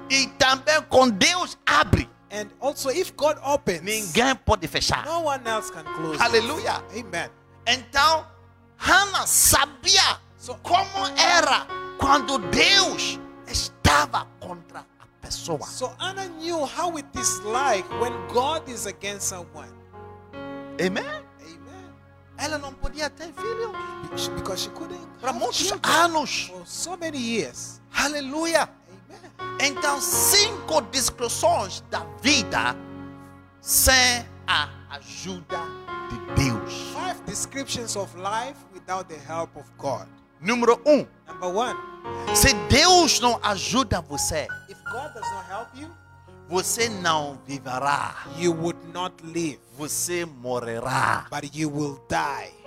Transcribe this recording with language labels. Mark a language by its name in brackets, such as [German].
[Portuguese] E também com Deus abre. [English] And also, if God opens, [Portuguese] ninguém pode fechar. [English] No one else can close. Hallelujah. Amen. [Portuguese] Então, Hannah sabia como era quando Deus estava contra a pessoa. [English] So Anna knew how it is like when God is against someone. Amen. Amen. [Portuguese] Ela não podia ter filho. [English] Because she couldn't. [Portuguese] Para muitos anos. [English] For so many years. Hallelujah. [Portuguese] Então, cinco discussões da vida sem a ajuda de Deus. [English] Five descriptions of life without the help of God. [Portuguese] Número um. [English] Number one. [Portuguese] Se Deus não ajuda você, [English] if God does not help you, [Portuguese] você não viverá. [English] You would not live. [Portuguese] Você morrerá. [English] But you will die.